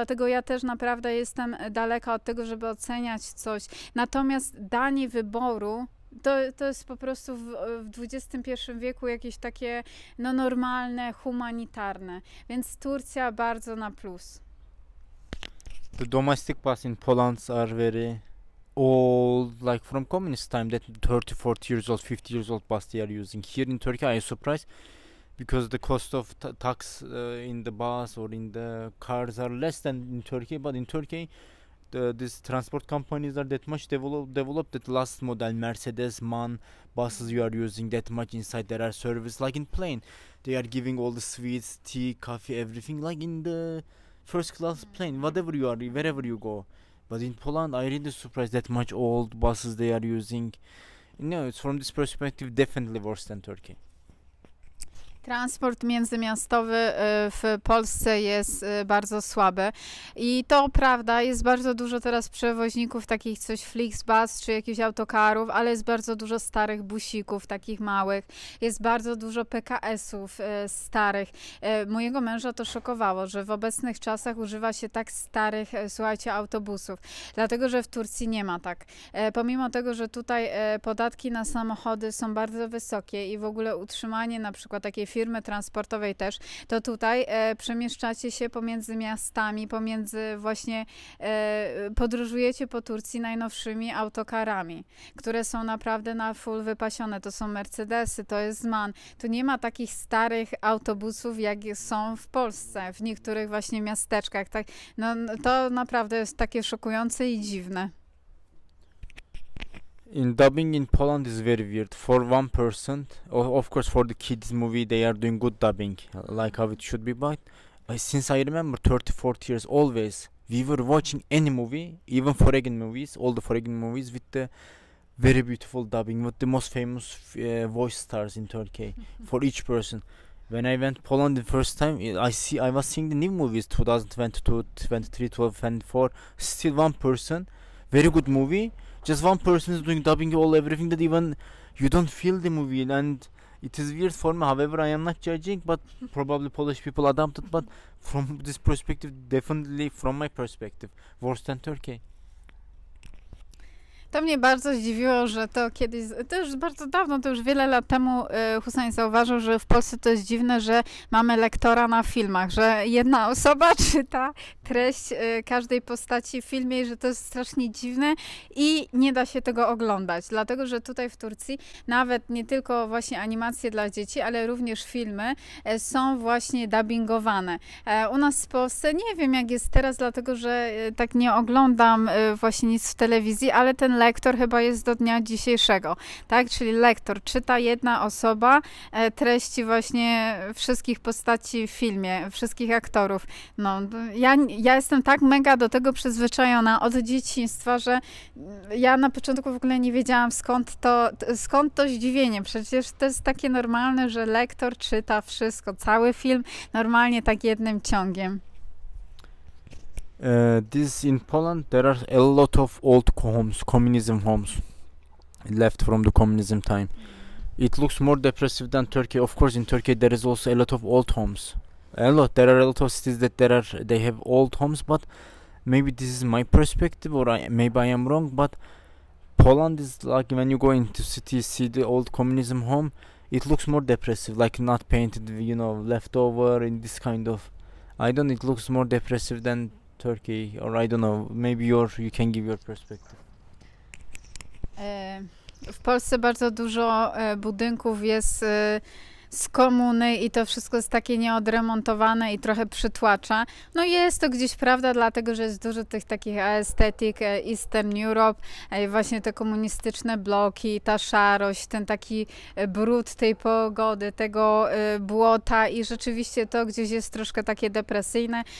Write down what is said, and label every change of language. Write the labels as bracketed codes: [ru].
[pl] Dlatego ja też naprawdę jestem daleka od tego, żeby oceniać coś. Natomiast danie wyboru To jest po prostu w XXI wieku jakieś takie no, normalne, humanitarne. Więc Turcja bardzo na plus. [en] The domestic bus in Poland are very old, like from communist time, that 30, 40 years old, 50 years old bus they are using. Here in Turkey, I am surprised, because the cost of tax in the bus or in the cars are less than in Turkey, but in Turkey, these transport companies are that much developed, that last model Mercedes, MAN buses you are using, that much inside there are service, like in plane, they are giving all the sweets, tea, coffee, everything, like in the first class plane, whatever you are, wherever you go. But in Poland, I really surprised that much old buses they are using. No, it's from this perspective definitely worse than Turkey. [pl] Transport międzymiastowy w Polsce jest bardzo słaby i to prawda, jest bardzo dużo teraz przewoźników takich coś Flixbus czy jakichś autokarów, ale jest bardzo dużo starych busików, takich małych, jest bardzo dużo PKS-ów starych. Mojego męża to szokowało, że w obecnych czasach używa się tak starych, słuchajcie, autobusów, dlatego że w Turcji nie ma tak. Pomimo tego, że tutaj podatki na samochody są bardzo wysokie i w ogóle utrzymanie na przykład takiej firmy transportowej też, to tutaj przemieszczacie się pomiędzy miastami, pomiędzy właśnie podróżujecie po Turcji najnowszymi autokarami, które są naprawdę na full wypasione. To są Mercedesy, to jest MAN. Tu nie ma takich starych autobusów, jak są w Polsce, w niektórych właśnie miasteczkach. Tak, no, to naprawdę jest takie szokujące i dziwne. [en] In dubbing in Poland is very weird. For one person, of course for the kids movie they are doing good dubbing, like how it should be, but since I remember 30, 40 years always, we were watching any movie, even foreign movies, all the foreign movies with the very beautiful dubbing, with the most famous voice stars in Turkey, for each person. When I went Poland the first time, I was seeing the new movies 2022, 23, 12, 24. Still one person, very good movie. Just one person is doing dubbing all everything that even you don't feel the movie and it is weird for me. However, I am not judging, but probably Polish people adapted. But from this perspective, definitely from my perspective, worse than Turkey. [pl] To mnie bardzo zdziwiło, że to kiedyś, to już bardzo dawno, to już wiele lat temu Husajn zauważył, że w Polsce to jest dziwne, że mamy lektora na filmach, że jedna osoba czyta treść każdej postaci w filmie i że to jest strasznie dziwne i nie da się tego oglądać. Dlatego, że tutaj w Turcji nawet nie tylko właśnie animacje dla dzieci, ale również filmy są właśnie dubbingowane. U nas w Polsce nie wiem jak jest teraz, dlatego, że tak nie oglądam właśnie nic w telewizji, ale ten lektor chyba jest do dnia dzisiejszego, tak? Czyli lektor czyta jedna osoba treści właśnie wszystkich postaci w filmie, wszystkich aktorów. No, ja jestem tak mega do tego przyzwyczajona od dzieciństwa, że ja na początku w ogóle nie wiedziałam skąd to zdziwienie. Przecież to jest takie normalne, że lektor czyta wszystko, cały film normalnie tak jednym ciągiem. [en] This in Poland, there are a lot of old homes, communism homes, left from the communism time. It looks more depressive than Turkey. Of course, in Turkey there is also a lot of old homes. A lot. There are a lot of cities that there are. They have old homes, but maybe this is my perspective, or maybe I am wrong. But Poland is like when you go into city, see the old communism home. It looks more depressive, like not painted, you know, leftover in this kind of. I don't. It looks more depressive than. Turkey, or I don't know, maybe you can give your perspective. [pl] W Polsce bardzo dużo budynków jest z komuny i to wszystko jest takie nieodremontowane i trochę przytłacza. No jest to gdzieś prawda, dlatego że jest dużo tych takich [en] aesthetic Eastern Europe, [pl] właśnie te komunistyczne bloki, ta szarość, ten taki brud tej pogody, tego błota i rzeczywiście to gdzieś jest troszkę takie depresyjne.